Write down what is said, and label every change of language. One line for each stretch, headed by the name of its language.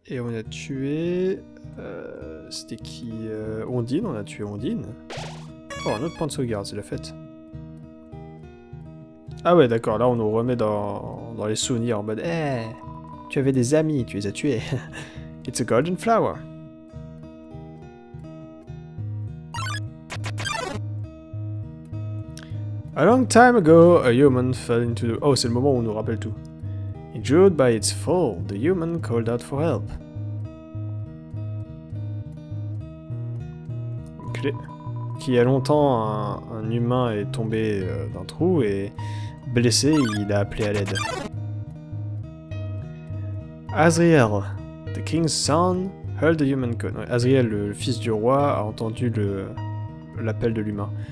French: Et on a tué... c'était qui Ondine, on a tué Ondine. Oh, un autre point de sauvegarde, c'est la fête. Ah ouais, d'accord, là on nous remet dans les souvenirs en mode « Eh, tu avais des amis, tu les as tués.
English: It's a golden flower. » A long time ago, a human fell into the...
French: Oh, c'est le moment où on nous rappelle tout.
English: Injured by its fall, the human called out for help.
French: Clé. Qui a longtemps, un humain est tombé d'un trou et... Blessé, il a appelé à l'aide.
English: Azriel, the king's son, heard the human call.
French: Azriel, le fils du roi, a entendu l'appel de l'humain.